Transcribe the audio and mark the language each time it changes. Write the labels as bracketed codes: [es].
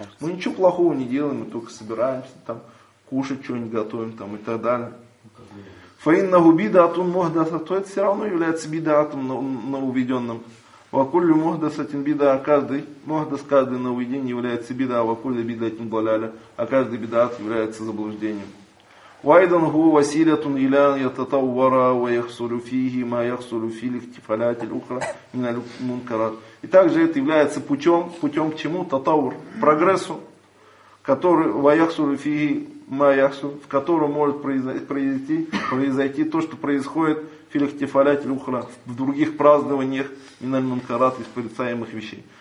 [ru] Мы ничего плохого не делаем, мы только собираемся, там, кушать что-нибудь готовим там, и так далее. [ar] Фаиннаху бидатун мухдасату, [ru] это все равно является бидатом нововведенным. [ar] Вакуллю мухдасатин бида, [ru] а каждый мухдас, каждый нововведение является бида, а [ar] вакуллю бидатин баляля, [ru] а каждый бидат является заблуждением. [ar] وأيضاً هو وسيلة إلى أن يتطور ويحصل فيه ما يحصل في الاحتفالات الأخرى من المنكرات. [ru] И также это является путем к чему? Татаур, прогрессу, который, в котором может произойти то, что происходит в [ar] الاحتفالات الأخرى, [ru] в других празднованиях [ar] من المنكرات, [ru] из порицаемых вещей.